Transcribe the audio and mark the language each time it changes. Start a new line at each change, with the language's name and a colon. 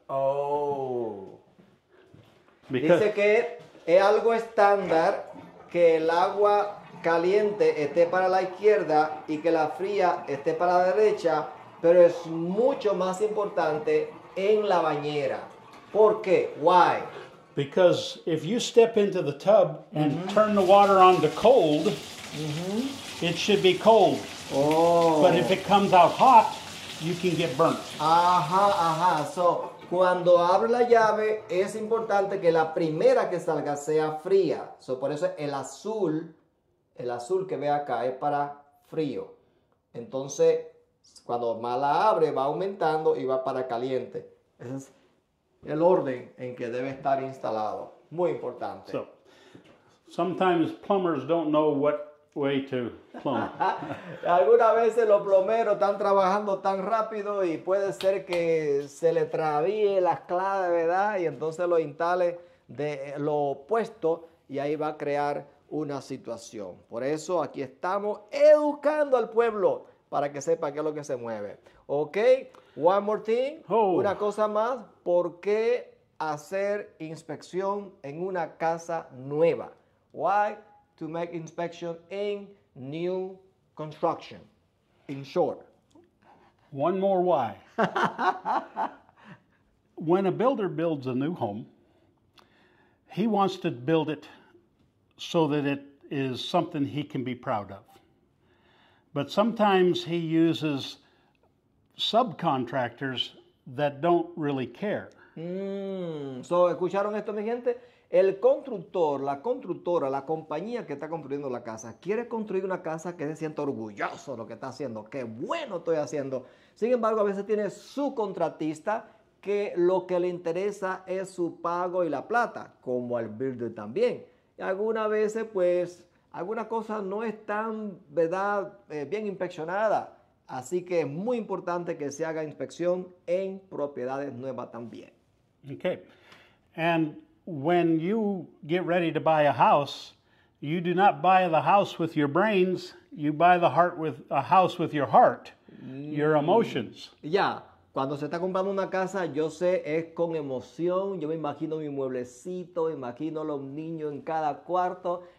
Spanish: Oh. Because dice que es algo estándar que el agua caliente esté para la izquierda y que la fría esté para la derecha, pero es mucho más importante en la bañera. ¿Por qué?
English: Why? Because if you step into the tub and turn the water on to cold, it should be cold. Oh. But if it comes out hot, you can get burnt. Ajá.
Spanish: So, cuando abre la llave, es importante que la primera que salga sea fría. So, por eso el azul que ve acá es para frío. Entonces, cuando más la abre, va aumentando y va para caliente. El orden en que debe estar instalado. Muy importante.
English: So, sometimes plumbers don't know what way to plumb.
Spanish: Algunas veces los plomeros están trabajando tan rápido y puede ser que se le travíe las claves, ¿verdad? Y entonces lo instale de lo opuesto y ahí va a crear una situación. Por eso aquí estamos educando al pueblo para que sepa qué es lo que se mueve.
English: Ok, one more thing,
Spanish: una cosa más. ¿Por qué hacer inspección en una casa nueva?
English: Why to make inspection in new construction? In short. One more why. When a builder builds a new home, he wants to build it so that it is something he can be proud of. But sometimes he uses subcontractors that don't really care.
Spanish: So, ¿escucharon esto, mi gente? El constructor, la constructora, la compañía que está construyendo la casa, quiere construir una casa que se sienta orgulloso de lo que está haciendo. ¡Qué bueno estoy haciendo! Sin embargo, a veces tiene su contratista que lo que le interesa es su pago y la plata, como al builder también. Y algunas veces, pues, algunas cosas no están, ¿verdad?, bien inspeccionadas. Así que es muy importante que se haga inspección en propiedades nuevas también. Okay.
English: And when you get ready to buy a house, you do not buy the house with your brains, you buy the heart with a house with your heart, your emotions. Yeah.
Spanish: Cuando se está comprando una casa, yo sé, es con emoción. Yo me imagino mi mueblecito, imagino los niños en cada cuarto.